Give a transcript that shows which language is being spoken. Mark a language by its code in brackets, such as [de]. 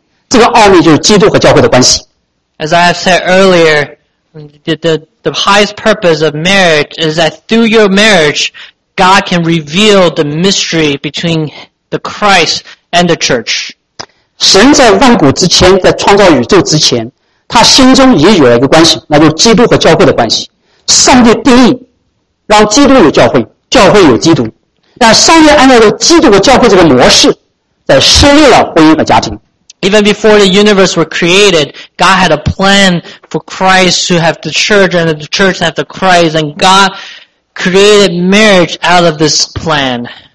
[zh] 我刚才说了,神设立婚姻是通过你和你太太,你的先生之间的关系,来展现,来显明上帝的一个奥秘,这个奥秘就是基督和教会的关系。 [en] As I have said earlier, the highest purpose of marriage is that through your marriage, God can reveal the mystery between the Christ and the church. [zh] 神在万古之前,在创造宇宙之前, 他心中也有了一个关系,那就是基督和教会的关系。上帝定义,让基督有教会,教会有基督。但上帝按照基督和教会这个模式,在设立了婚姻和家庭。 [en] Even before the universe were created, God had a plan for Christ to have the church and the church have the Christ, and God created marriage out of this plan.